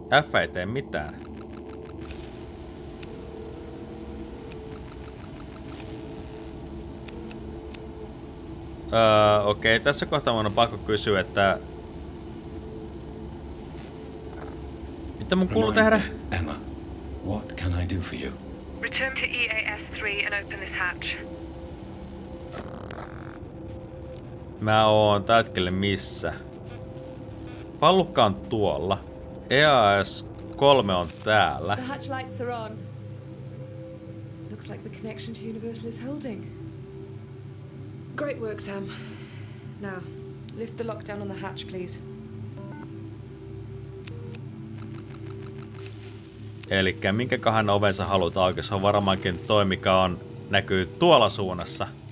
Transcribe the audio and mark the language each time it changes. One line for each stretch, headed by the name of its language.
Finnish: F ei tee mitään. Okei, tässä kohtaa mun on pakko kysyä, että... Mitä mun kuuluu tehdä?
English: Emma, what can I do for you? Return to EAS3 and open this hatch.
Finnish: Mä oon tätkelle missä. Pallukka on tuolla. EAS3 on täällä.
English: The hatch lights are on. Looks like the connection to Universal is holding. Great work, Sam. Now, lift the lockdown on the hatch, please.
Finnish: Elikkä minkäköhän oven sä haluat auki? Se on varmaankin toi, mikä on, näkyy tuolla suunnassa.